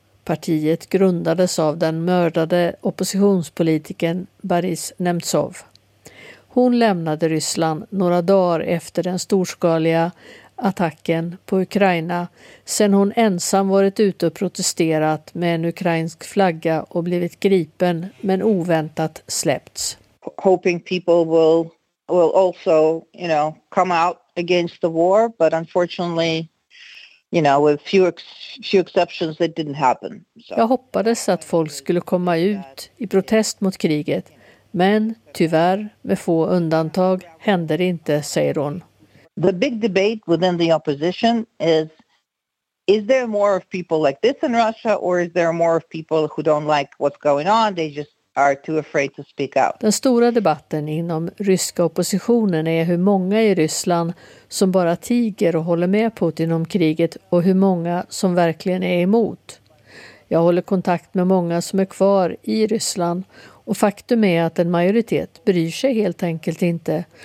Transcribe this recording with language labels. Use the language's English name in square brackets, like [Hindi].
[Swedish] Partiet grundades av den mördade oppositionspolitiken Boris Nemtsov. Hon lämnade Ryssland några dagar efter den storskaliga attacken på Ukraina, sen hon ensam varit ute och protesterat med en ukrainsk flagga och blivit gripen men oväntat släppts. [English] Hoping people will also, you know, come out against the war, but unfortunately, you know, with few exceptions, it didn't happen. So. [Swedish] Jag hoppades att folk skulle komma ut i protest mot kriget, men tyvärr, med få undantag, hände det inte, säger hon. [English] The big debate within the opposition is there more of people like this in Russia, or is there more of people who don't like what's going on? They just are too afraid to speak out. [Swedish] Den stora debatten inom ryska oppositionen är hur många i Ryssland som bara tiger och håller med Putin om kriget och hur många som verkligen är emot. Jag håller kontakt med många som är kvar i Ryssland och faktum är att en majoritet bryr sig helt enkelt inte.